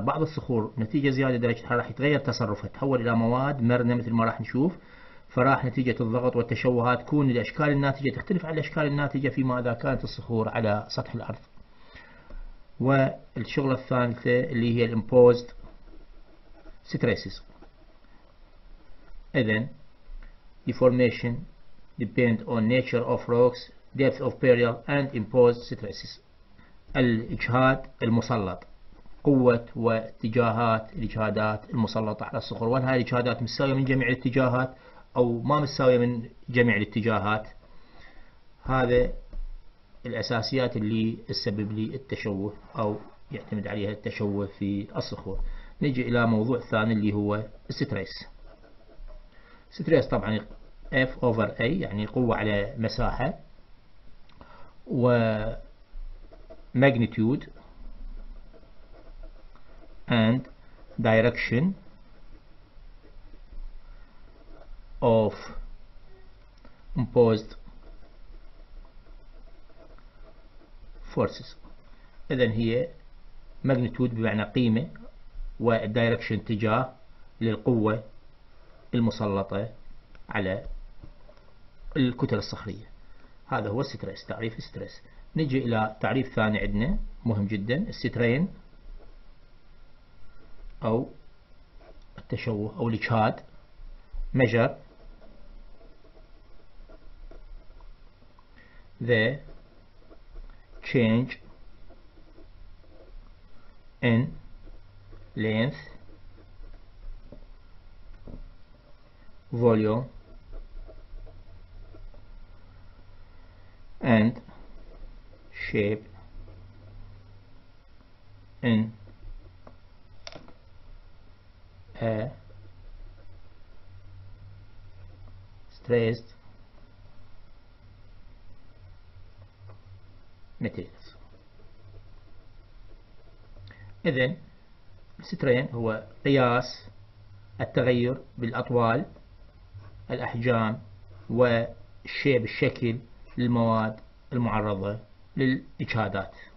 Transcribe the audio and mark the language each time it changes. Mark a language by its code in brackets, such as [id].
[ar] بعض الصخور نتيجه زياده درجه الحراره راح يتغير تصرفها، تتحول الى مواد مرنه مثل ما راح نشوف، فراح نتيجه الضغط والتشوهات تكون الاشكال الناتجه تختلف عن الاشكال الناتجه فيما اذا كانت الصخور على سطح الارض. والشغله الثالثه اللي هي الامبوزد ستريسز. [en] اذا deformation depend on nature of rocks, depth of burial and imposed stresses. [ar] الإجهاد المسلط، قوة واتجاهات الإجهادات المسلطة على الصخور. وهل هذه الإجهادات مساوية من جميع الاتجاهات أو ما مساوية من جميع الاتجاهات؟ هذا الأساسيات اللي تسبب لي التشوه أو يعتمد عليها التشوه في الصخور. نجي إلى موضوع ثاني اللي هو الستريس. ستريس طبعا F over A يعني قوة على مساحة، و [en] magnitude and direction of imposed forces. [ar] إذا هي magnitude بمعنى قيمة و direction اتجاه للقوة المسلطة على الكتل الصخرية. هذا هو الستريس، تعريف الستريس. نجي إلى تعريف ثاني عندنا مهم جدا، السترين أو التشوه أو الإجهاد. [en] مجر the change in length volume and shape in a stressed material. [ar] إذن سترين هو قياس التغير بالأطوال الأحجام والشيب الشكل للمواد المعرضة للإجهادات.